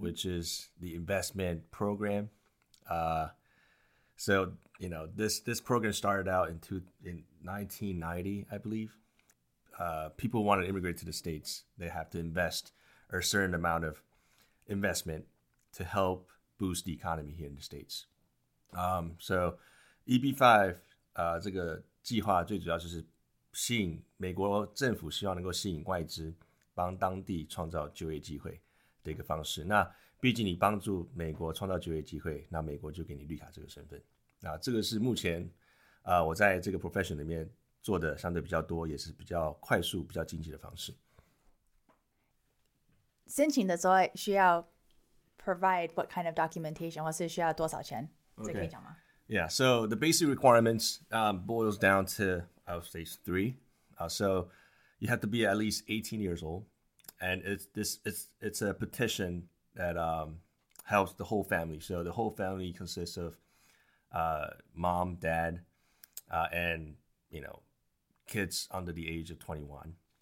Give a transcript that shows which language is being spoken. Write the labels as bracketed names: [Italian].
[English] which is the investment program. So, you know, this program started out in 1990, I believe. People want to immigrate to the States. They have to invest a certain amount of investment to help boost the economy here in the States. [Chinese] So EB-5, 这个计划最主要就是吸引美国政府希望能够吸引外资帮当地创造就业机会的一个方式。那毕竟你帮助美国创造就业机会，那美国就给你绿卡这个身份。那这个是目前我在这个 profession 里面做的相对比较多，也是比较快速比较经济的方式。申请的时候需要 [English] provide what kind of documentation， [Chinese] 或是需要多少钱？ [English] Okay. [Chinese] 这可以讲吗？ [English] Yeah, so the basic requirements boils down to, I would say, three. So you have to be at least 18 years old, and it's a petition that helps the whole family. So the whole family consists of mom, dad, and, you know, kids under the age of 21.